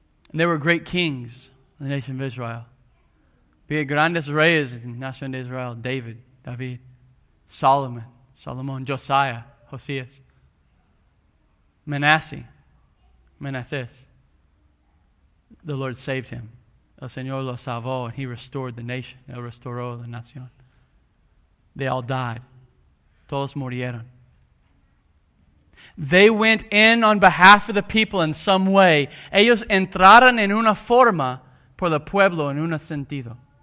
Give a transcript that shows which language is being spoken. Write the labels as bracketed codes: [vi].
[en] And there were great kings in the nation of Israel. [es] Había grandes reyes en la nación de Israel. [en] David, Solomon, Josiah, Josías, Manasseh. The Lord saved him. [es] El Señor lo salvó, [en] and He restored the nation. [es] Él restauró la nación. [en] They all died. [es] Todos murieron. [en] They went in on behalf of the people in some way. [es] Ellos entraron en una forma por el pueblo en un sentido.